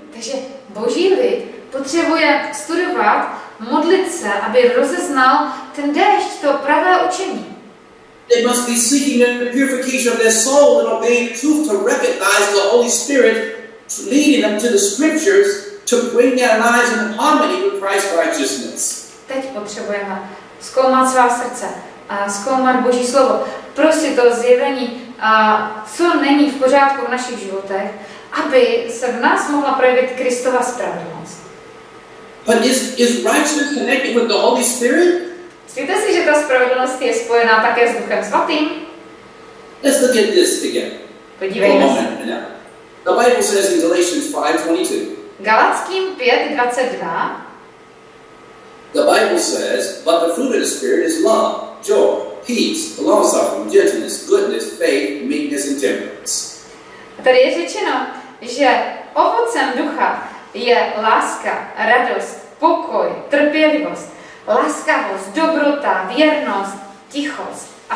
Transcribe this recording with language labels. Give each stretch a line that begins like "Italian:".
Czech: Takže Boží lid potřebuje studovat, modlit se, aby rozeznal ten déšť, to pravé učení.
English: They must be seeking the purification of their soul and obeying truth to recognize the Holy Spirit leading them to the scriptures to bring their lives in harmony with Christ's righteousness.
Czech: Teď potřebujeme zkoumat svá srdce a zkoumat Boží slovo. Prosit o zjevení, co není v pořádku v našich životech, aby se v nás mohla projevit Kristova spravedlnost.
English: But is righteousness connected with the Holy Spirit?
Czech: Myslíte si, že ta spravedlnost je spojená také s Duchem Svatým?
English: Let's look at this again.
Czech: Podívejme se.
English: The Bible says in Galatians 5:22.
Czech: Galatským 5:22.
English: The Bible says, but the fruit of the Spirit is love, joy, peace, long-suffering, gentleness, goodness, faith, meekness and temperance.
Czech: Tady je řečeno, že ovocem Ducha je láska, radost, pokoj, trpělivost, laskavost, dobrota, věrnost, tichost a